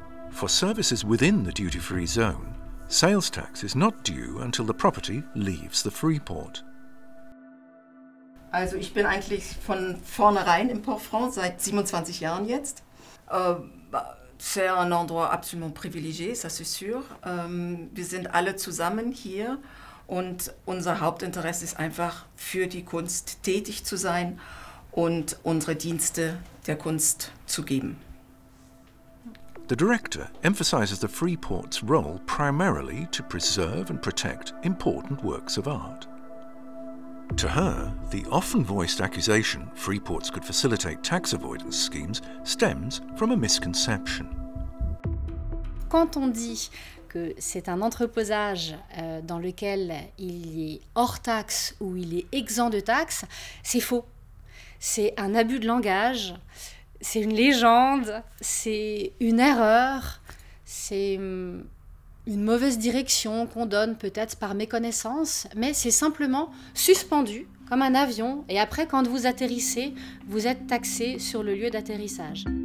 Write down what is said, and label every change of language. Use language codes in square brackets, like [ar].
[en] For services within the duty-free zone, sales tax is not due until the property leaves the Freeport. [de] Also, ich bin eigentlich von vornherein im Port France seit 27 Jahren jetzt. [fr] C'est un endroit absolument privilégié, ça c'est sûr. [de] Wir sind alle zusammen hier. Und unser Hauptinteresse ist einfach, für die Kunst tätig zu sein und unsere Dienste der Kunst zu geben. [en] The director emphasizes the Freeport's role primarily to preserve and protect important works of art. To her, the often voiced accusation Freeports could facilitate tax avoidance schemes stems from a misconception. [fr] Quand on dit que c'est un entreposage dans lequel il est hors taxe ou il est exempt de taxe, c'est faux. C'est un abus de langage, c'est une légende, c'est une erreur, c'est une mauvaise direction qu'on donne peut-être par méconnaissance, mais c'est simplement suspendu comme un avion et après quand vous atterrissez, vous êtes taxé sur le lieu d'atterrissage.